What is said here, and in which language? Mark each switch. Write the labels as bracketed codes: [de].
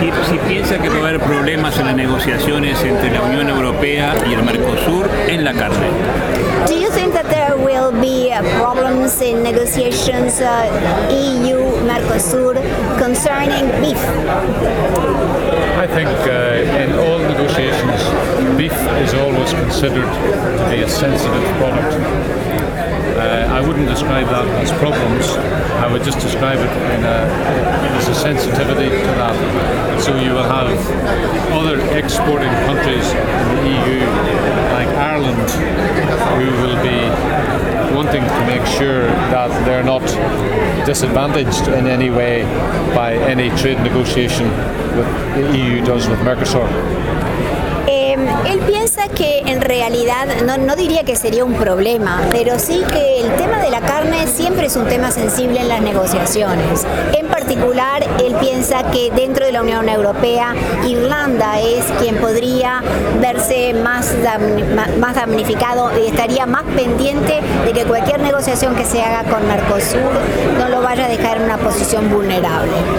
[es] Si piensa que va a haber problemas en las negociaciones entre la Unión Europea y el Mercosur en la carne. [en] Do you think that there will be problems in negotiations EU Mercosur concerning beef? I think in all negotiations, beef is always considered to be a sensitive product. I wouldn't describe that as problems. I would just describe it as a sensitivity to that. So you will have other exporting countries in the EU, like Ireland, who will be wanting to make sure that they're not disadvantaged in any way by any trade negotiation that the EU does with Mercosur. [es] Él piensa que en realidad, no diría que sería un problema, pero sí que el tema de la carne siempre es un tema sensible en las negociaciones. En particular, él piensa que dentro de la Unión Europea, Irlanda es quien podría verse más damnificado y estaría más pendiente de que cualquier negociación que se haga con Mercosur no lo vaya a dejar en una posición vulnerable.